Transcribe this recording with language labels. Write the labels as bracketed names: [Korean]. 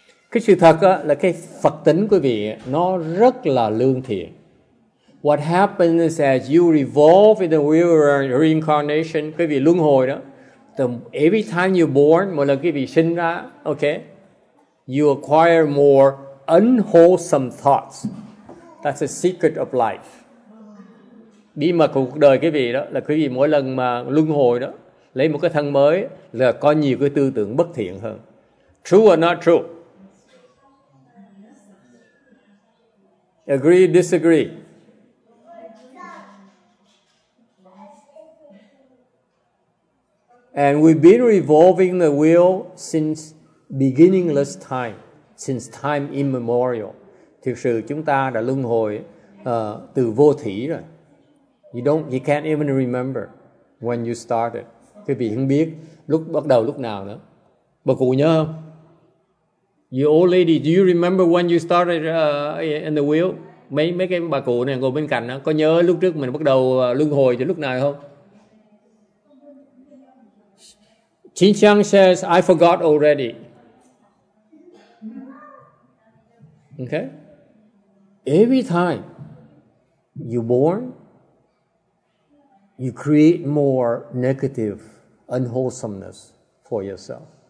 [Vietnamese] Cái sự thật là cái Phật tính quý vị nó rất là lương thiện. [English] What happens is as you revolve in the reincarnation, [Vietnamese] quý vị luân hồi đó, [English] every time you're born, [Vietnamese] mỗi lần quý vị sinh ra, [English] okay, you acquire more unwholesome thoughts. That's the secret of life. [Vietnamese] Bí mật của cuộc đời quý vị đó là quý vị mỗi lần mà luân hồi đó, lấy một cái thân mới là có nhiều cái tư tưởng bất thiện hơn. [English] True or not true? Agree, disagree? And we've been revolving the wheel since beginningless time, since time immemorial. [Vietnamese] Thực sự chúng ta đã luân hồi từ vô thủy rồi. [English] You can't even remember when you started. [Vietnamese] Quý vị không biết lúc bắt đầu lúc nào nữa. Bà cụ nhớ không? [English] You old lady, do you remember when you started in the wheel? [Vietnamese] Mấy cái bà cụ này ngồi bên cạnh đó, có nhớ lúc trước mình bắt đầu luân hồi từ lúc nào không? [English] Chin Chang says, I forgot already. Okay? Every time you're born, you create more negative unwholesomeness for yourself.